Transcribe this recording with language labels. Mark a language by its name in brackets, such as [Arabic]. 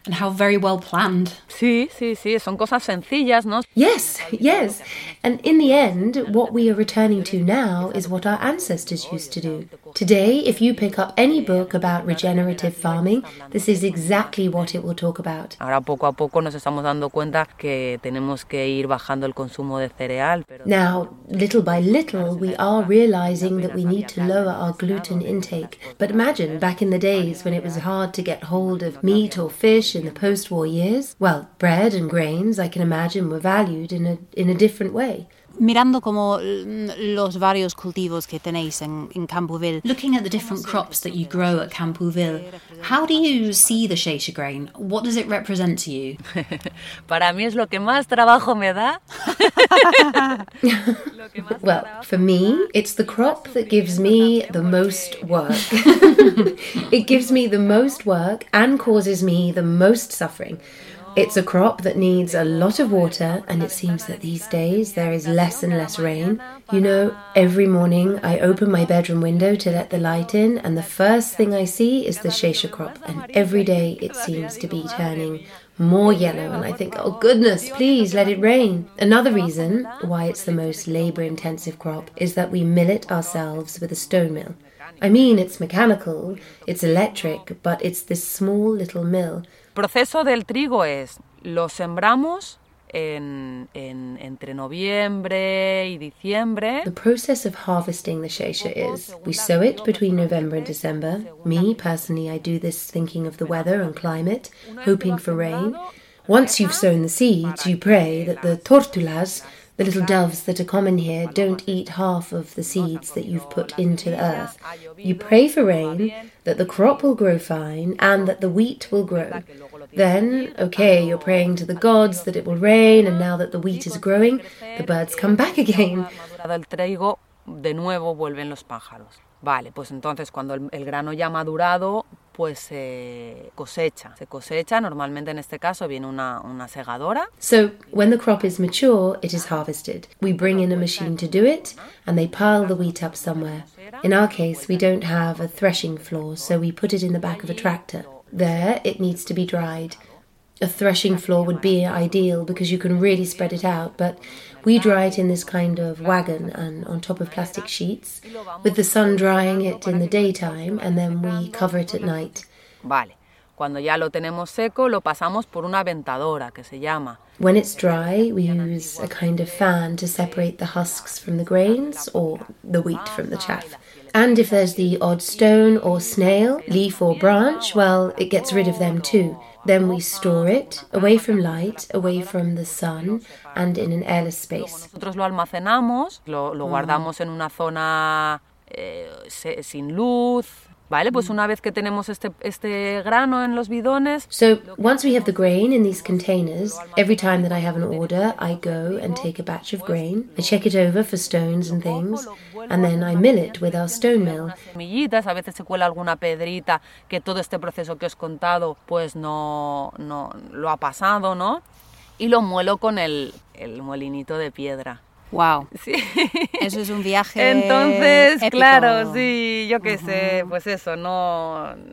[English] And how very well planned. [Spanish] Sí, sí, sí. Son cosas sencillas, ¿no? [English] Yes, yes. And in the end, what we are returning to now is what our ancestors used to do. Today, if you pick up any book about regenerative farming, this is exactly what it will talk about. [Spanish] Ahora poco a poco nos estamos dando cuenta que tenemos que ir bajando el consumo de cereal. [English] Now, little by little, we are realizing that we need to lower our gluten intake. But imagine, back in the days when it was hard to get hold of meat or fish in the post-war years, well, bread and grains, I can imagine, were valued in a different way. [Spanish] Mirando como los varios cultivos que tenéis en Campoville. [English] Looking at the different crops that you grow at Campoville, how do you see the Sheisha grain? What does it represent to you? [Spanish] Para mí es lo que más trabajo me da. [English] Well, for me, it's the crop that gives me the most work. It gives me the most work and causes me the most suffering. It's a crop that needs a lot of water, and it seems that these days there is less and less rain. You know, every morning I open my bedroom window to let the light in, and the first thing I see is the shisha crop, and every day it seems to be turning more yellow, and I think, oh goodness, please let it rain. Another reason why it's the most labor-intensive crop is that we mill it ourselves with a stone mill. I mean, it's mechanical, it's electric, but it's this small little mill. [Spanish] Proceso del trigo es, lo sembramos entre noviembre y diciembre. [English] The process of harvesting the shisha is, we sow it between November and December. Me, personally, I do this thinking of the weather and climate, hoping for rain. Once you've sown the seeds, you pray that the tórtulas, the little doves that are common here, don't eat half of the seeds that you've put into the earth. You pray for rain, that the crop will grow fine, and that the wheat will grow. Then, okay, you're praying to the gods that it will rain, and now that the wheat is growing, the birds come back again. [Spanish] De nuevo vuelven los pájaros. Vale, pues entonces cuando el grano ya ha madurado, pues se cosecha. Normalmente en este caso viene una segadora. [English] So when the crop is mature, it is harvested. We bring in a machine to do it, and they pile the wheat up somewhere. In our case, we don't have a threshing floor, so we put it in the back of a tractor. There, it needs to be dried. A threshing floor would be ideal because you can really spread it out, but we dry it in this kind of wagon and on top of plastic sheets, with the sun drying it in the daytime, and then we cover it at night. [Spanish] Vale. Cuando ya lo tenemos seco, lo pasamos por una ventadora que se llama. [English] When it's dry, we use a kind of fan to separate the husks from the grains or the wheat from the chaff. And if there's the odd stone or snail, leaf or branch, well, it gets rid of them too. Then we store it away from light, away from the sun, and in an airless space. [Spanish] Nosotros lo almacenamos, lo guardamos en una zona sin luz. Vale, pues una vez que tenemos este grano en los bidones. [English] So once we have the grain in these containers, every time that I have an order, I go and take a batch of grain. I check it over for stones and things, and then I mill it with our stone mill. [Spanish] Semillitas, a veces se cuela alguna pedrita que todo este proceso que os he contado, pues no lo ha pasado, ¿no? Y lo muelo con el molinito de piedra. Wow, sí. Eso es un viaje. Entonces, épico. Claro, sí, yo qué sé, pues eso, no.